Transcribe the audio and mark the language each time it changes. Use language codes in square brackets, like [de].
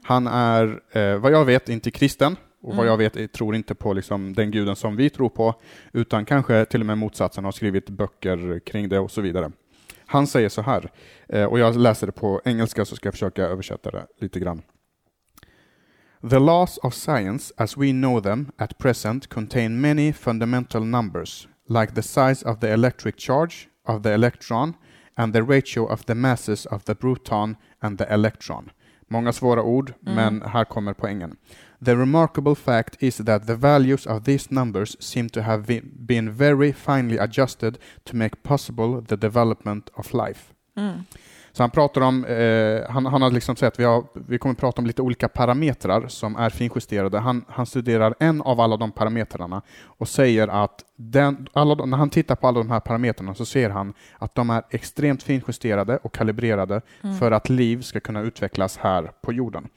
[sv] Han är, vad jag vet, inte kristen. Och vad jag vet, tror inte på liksom den guden som vi tror på. Utan kanske till och med motsatsen, har skrivit böcker kring det och så vidare. Han säger så här, och jag läser det på engelska så ska jag försöka översätta det lite grann. [en] The laws of science as we know them at present contain many fundamental numbers, like the size of the electric charge of the electron and the ratio of the masses of the proton and the electron. [sv] Många svåra ord, men här kommer poängen. [en] The remarkable fact is that the values of these numbers seem to have been very finely adjusted to make possible the development of life. Mm. [sv] Så han pratar om, han har liksom sagt att vi kommer prata om lite olika parametrar som är finjusterade. Han studerar en av alla de parametrarna och säger att när han tittar på alla de här parametrarna så ser han att de är extremt finjusterade och kalibrerade för att liv ska kunna utvecklas här på jorden.